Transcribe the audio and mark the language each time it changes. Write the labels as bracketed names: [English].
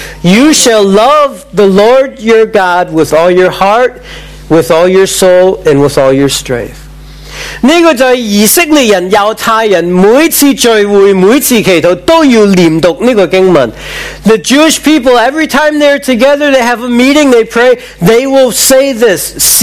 [English] You shall love the Lord your God with all your heart, with all your soul, and with all your strength. [Chinese] 这个就是以色列人、犹太人每次聚会、每次祈祷都要念读这个经文。 [English] The Jewish people, every time they're together, they have a meeting, they pray, they will say this.